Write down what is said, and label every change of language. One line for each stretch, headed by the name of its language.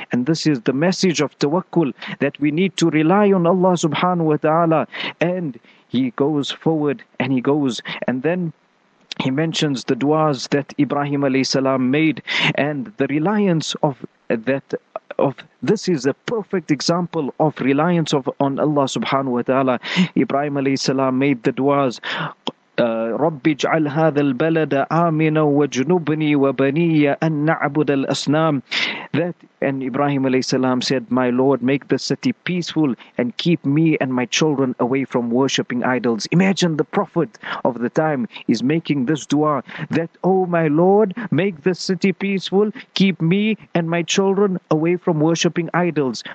English: And this is the message of tawakkul, that we need to rely on Allah subhanahu wa ta'ala. And he goes forward and he goes, and then he mentions the du'as that Ibrahim alayhi salam made, and the reliance of that, of this is a perfect example of reliance of on Allah subhanahu wa ta'ala. Ibrahim alayhi salam made the du'as,
Arabic: رَبِّ اجْعَلْ هَذَا الْبَلَدَ آمِنًا وَجْنُبْنِي وَبَنِيَّ أَنْ نَعْبُدَ الْأَصْنَامِ.
English: That, and Ibrahim alayhi salam said, my Lord, make the city peaceful and keep me and my children away from worshipping idols. Imagine the prophet of the time is making this dua, that, oh my Lord, make the city peaceful, keep me and my children away from worshipping idols.